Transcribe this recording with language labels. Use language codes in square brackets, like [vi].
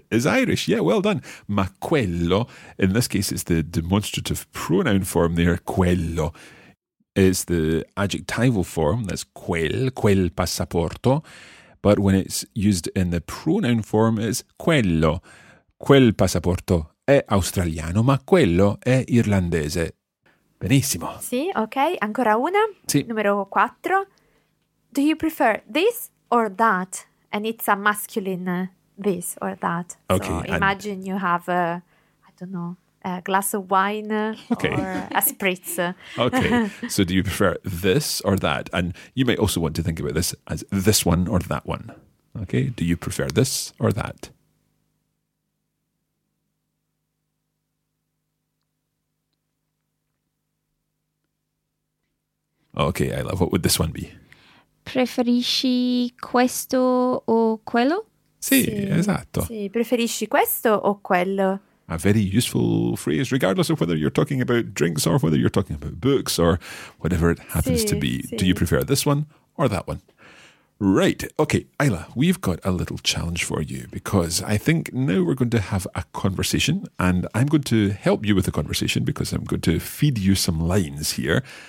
[en] Is Irish, yeah, well done. [it] Ma quello, [en] in this case, it's the demonstrative pronoun form there, quello. It's the adjectival form, that's [it] quel passaporto. [en] But when it's used in the pronoun form, it's quello. [it] Quel passaporto è australiano, ma quello è irlandese. Benissimo. Sì, ok. Ancora una. Sì. Numero quattro. [en] Do you prefer this or that? And it's a masculine this or that. Okay, so imagine you have a, I don't know, a glass of wine, okay, or a spritz. Okay, so do you prefer this or that? And you might also want to think about this as this one or that one. Okay, do you prefer this or that? Okay, Ayla, what would this one be? [it] Preferisci questo o quello? Sì, sì, esatto. Sì, preferisci questo o quello? [en] A very useful phrase, regardless of whether you're talking about drinks or whether you're talking about books or whatever it happens to be. [it] Sì. [en] Do you prefer this one or that one? Right. Okay, Ayla, we've got a little challenge for you because I think now we're going to have a conversation and I'm going to help you with the conversation because I'm going to feed you some lines here.